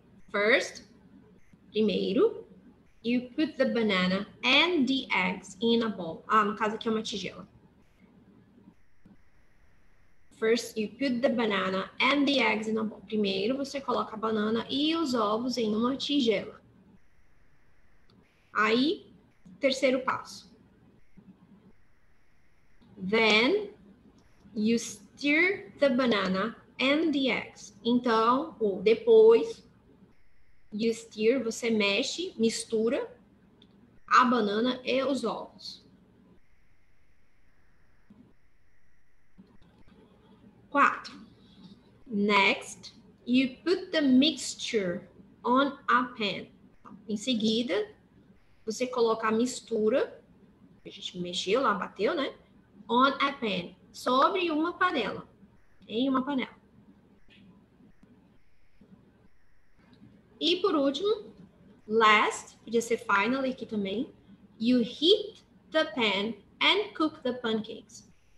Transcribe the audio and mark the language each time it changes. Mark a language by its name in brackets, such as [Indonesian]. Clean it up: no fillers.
[English] First, primeiro, you put the banana and the eggs in a bowl. [Portuguese] Ah, no caso aqui é uma tigela. [English] First, you put the banana and the eggs in a bowl. [Portuguese] Primeiro, você coloca a banana e os ovos em uma tigela. Aí, terceiro passo. [English] Then, you stir the banana and the eggs. [Portuguese] Então, ou depois, [English] you stir, [Portuguese] você mexe, mistura a banana e os ovos. Quatro. [English] Next, you put the mixture on a pan. [Portuguese] Em seguida, você coloca a mistura, a gente mexeu lá, bateu, né? [English] On a pan, [Portuguese] sobre uma panela, em uma panela. E por último, [English] last, [Portuguese] podia ser [English] finally [Portuguese] aqui também, [English] you heat the pan and cook the pancakes.